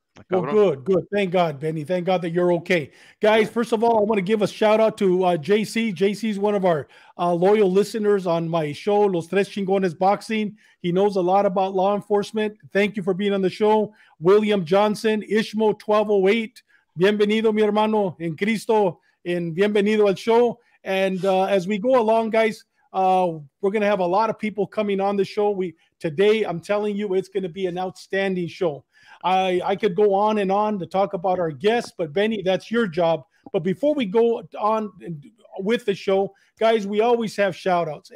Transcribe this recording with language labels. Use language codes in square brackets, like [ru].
[en] Well, good, good. Thank God, Benny. Thank God that you're okay. Guys, first of all, I want to give a shout out to JC. JC is one of our loyal listeners on my show, Los Tres Chingones Boxing. He knows a lot about law enforcement. Thank you for being on the show. William Johnson, Ishmo 1208. [es] Bienvenido, mi hermano, en Cristo, en bienvenido al show. [en] And as we go along, guys, we're going to have a lot of people coming on the show. Today, I'm telling you, it's going to be an outstanding show. I could go on and on to talk about our guests, but Benny, that's your job. But before we go on with the show, guys, we always have shout outs.